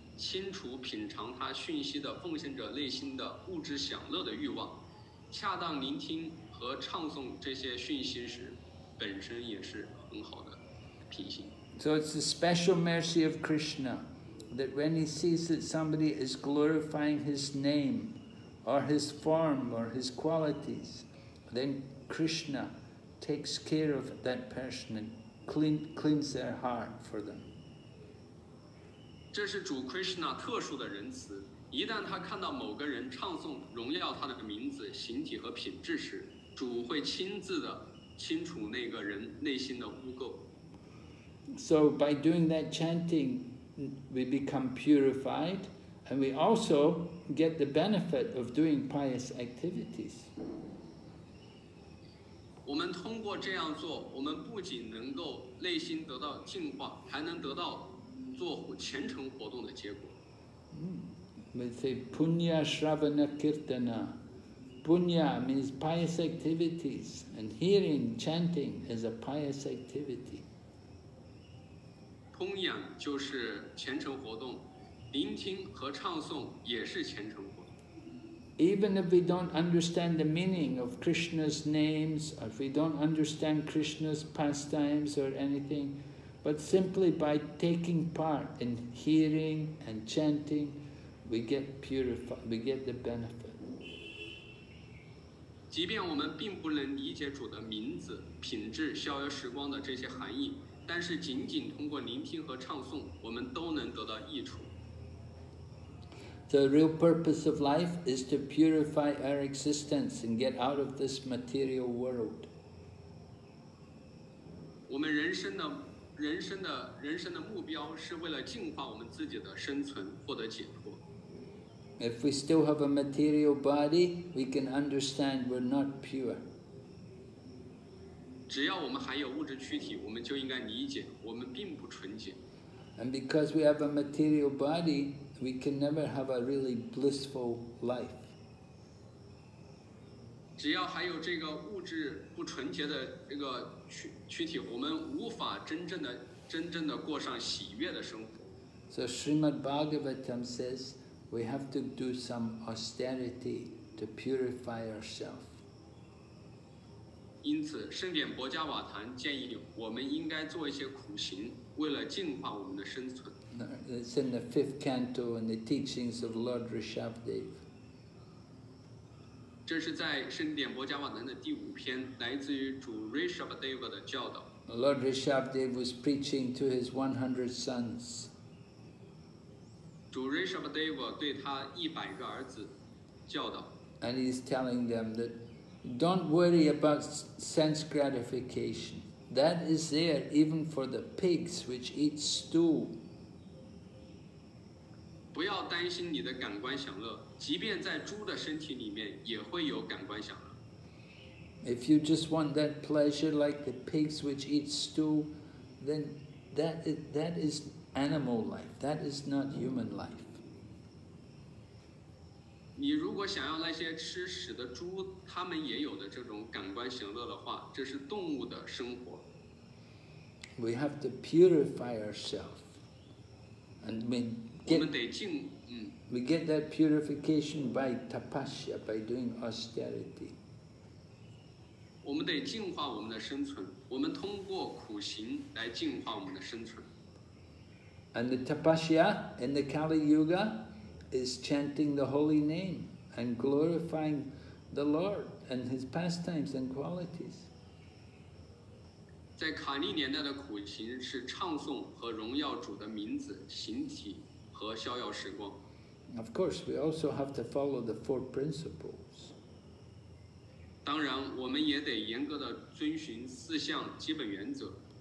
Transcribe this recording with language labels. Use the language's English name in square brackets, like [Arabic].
[Chinese] 清除品尝他讯息的奉献者内心的物质享乐的欲望，恰当聆听和唱诵这些讯息时，本身也是很好的品行。 [English] So it's the special mercy of Krishna that when he sees that somebody is glorifying his name, or his form, or his qualities, then Krishna takes care of that person and cleans their heart for them. [Chinese] 这是主 Krishna 特殊的仁慈，一旦他看到某个人唱诵荣耀他的名字、形体和品质时，主会亲自的清除那个人内心的污垢。 [English] So by doing that chanting, we become purified, and we also get the benefit of doing pious activities. [Chinese] 我们通过这样做，我们不仅能够内心得到净化，还能得到。做虔诚活动的结果。 [English] We say [Sanskrit] punya shravana kirtana. [English] Punya means pious activities, and hearing chanting is a pious activity. [Chinese] Punya 就是虔诚活动，聆听和唱诵也是虔诚活动。 [English] Even if we don't understand the meaning of Krishna's names, or if we don't understand Krishna's pastimes or anything. But simply by taking part in hearing and chanting, we get purified, we get the benefit. [Chinese] 即便我们并不能理解主的名字、品质、逍遥时光的这些含义，但是仅仅通过聆听和唱诵，我们都能得到益处。 [English] The real purpose of life is to purify our existence and get out of this material world. [Chinese] 我们人生的人生的目标是为了净化我们自己的生存，获得解脱。 [English] If we still have a material body, we can understand we're not pure. [Chinese] 只要我们还有物质躯体，我们就应该理解我们并不纯洁。 [English] And because we have a material body, we can never have a really blissful life. [Chinese] 只要还有这个物质不纯洁的这个躯体，我们无法真正的过上喜悦的生活。 [English] So Srimad Bhagavatam says we have to do some austerity to purify ourselves. [Chinese] 因此，圣典薄伽瓦坛建议我们应该做一些苦行，为了净化我们的生存。 [English] It's in the fifth canto in the teachings of Lord Rishabhdev. [Chinese] 这是在圣典摩迦瓦南的第五篇，来自于主 Rishabhadeva 的教导。 [English] Lord Rishabhadeva was preaching to his 100 sons. [Chinese] 主 Rishabhadeva 对他100个儿子教导。 [English] And he's telling them that don't worry about sense gratification. That is there even for the pigs which eat stool. [Chinese] 不要担心你的感官享乐，即便在猪的身体里面也会有感官享乐。 [English] If you just want that pleasure like the pigs which eat stool, then that is animal life. That is not human life. [Chinese] 你如果想要那些吃屎的猪，他们也有的这种感官享乐的话，这是动物的生活。 [English] We have to purify ourselves. And we get that purification by tapasya, by doing austerity. [Chinese] 我们得净化我们的生存，我们通过苦行来净化我们的生存。 [English] And the tapasya in the Kali Yuga is chanting the holy name and glorifying the Lord and his pastimes and qualities. [Chinese] 在卡利年代的苦行是唱诵和荣耀主的名字、形体和逍遥时光。 [English] Of course, we also have to follow the four principles. [Chinese] 当然，我们也得严格地遵循四项基本原则。